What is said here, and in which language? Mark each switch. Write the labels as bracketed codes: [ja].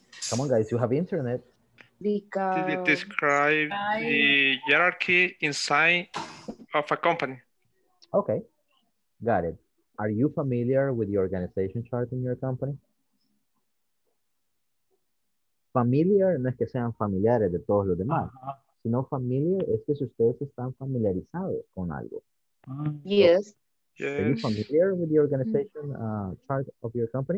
[en] Come on, guys, you have internet. Because describe the hierarchy inside of a company. Okay. Got it. Are you familiar with the organization chart in your company? [es] Familiar no es que sean familiares de todos los demás, uh-huh. sino familiar es que si ustedes están familiarizados con algo. [en] Yes. Yes. Are you familiar with the organization chart of your company?